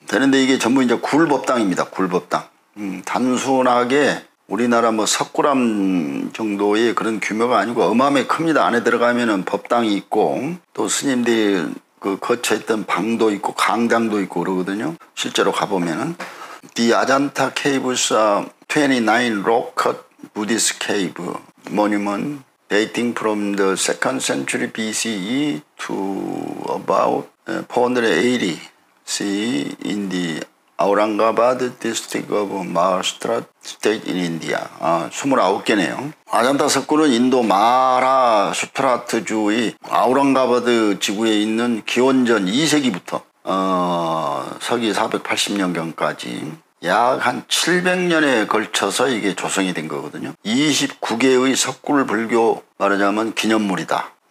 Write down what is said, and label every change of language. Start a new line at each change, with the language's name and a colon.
Korean: 되는데 이게 전부 이제 굴법당입니다. 굴법당. 단순하게 우리나라 뭐 석굴암 정도의 그런 규모가 아니고 어마어마히 큽니다. 안에 들어가면은 법당이 있고 또 스님들 그 거쳐있던 방도 있고 강당도 있고 그러거든요. 실제로 가보면은.
English: The Ajanta Caves are 29 rock cut Buddhist cave monument dating from the 2nd century BCE to about 480 CE in the Aurangabad district of Maharashtra state in India.
Korean: 아, 29개네요. 아잔타 석굴은 인도 마하라슈트라트 주의 아우랑가바드 지구에 있는 기원전 2세기부터 서기 480년경까지 약 한 700년에 걸쳐서 이게 조성이 된 거거든요. 29개의 석굴 불교 말하자면 기념물이다.